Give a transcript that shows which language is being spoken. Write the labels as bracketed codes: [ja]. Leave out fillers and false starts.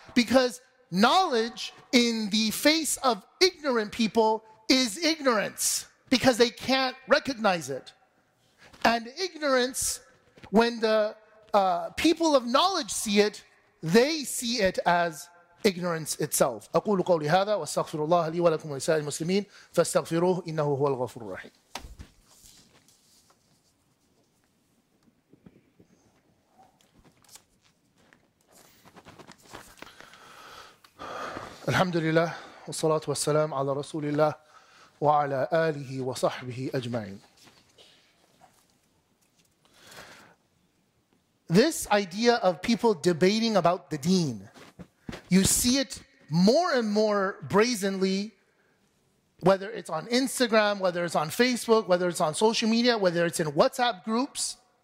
[en] Because knowledge in the face of ignorant people is ignorance, because they can't recognize it. And ignorance, when the people of knowledge see it, they see it as ignorance itself. [ar] أقول قولي هذا واستغفر الله لي ولكم ولسائر المسلمين فاستغفروه إنه هو الغفور الرحيم. الحمد لله والصلاة والسلام على رسول الله وعلى آله وصحبه أجمعين. [en] This idea of people debating about the deen, you see it more and more brazenly, whether it's on Instagram, whether it's on Facebook, whether it's on social media, whether it's in WhatsApp groups.